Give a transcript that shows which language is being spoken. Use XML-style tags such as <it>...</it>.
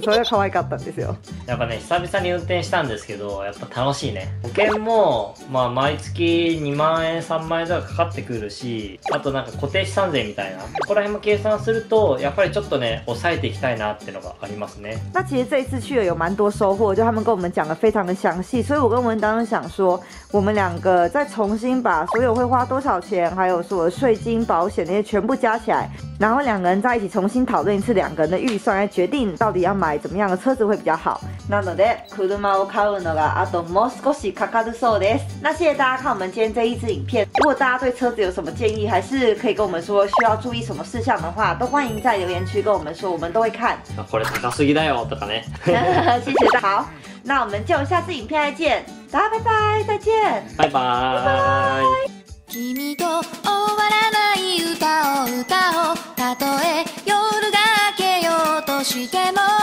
<ja>それが可愛かったんですよ。やっぱね、久々に運転したんですけど、やっぱ楽しいね。保険もまあ毎月2万円3万円とかかかってくるし、あとなんか固定資産税みたいな、ここら辺も計算するとやっぱりちょっとね、抑えていきたいなってのがありますね。</ja> <zh>其实这一次去了有蛮多收获，就他们跟我们讲的非常的详细，所以我跟文旦想说，我们两个再重新把所有会花多少钱，还有说税金、保险那些全部加起来，然后两个人在一起重新讨论一次两个人的预算，来决定到底要买怎么样的车子会比较好。</zh> <ja>なので車を買うのがあともう少しかかるそうです。</ja> <zh>那谢谢大家看我们今天这一支影片，如果大家对车子有什么建议，还是可以跟我们说需要注意什么事项的话，都欢迎在留言区跟我们说，我们都会看。</zh> <ja>これ高すぎだよとかね。</ja> <zh>谢谢大家。好，那我们就下次影片再见，大家拜拜，再见，拜拜。</zh> <ja>君と終わらない歌を歌おう、たとえ夜が明けようとしても。</ja>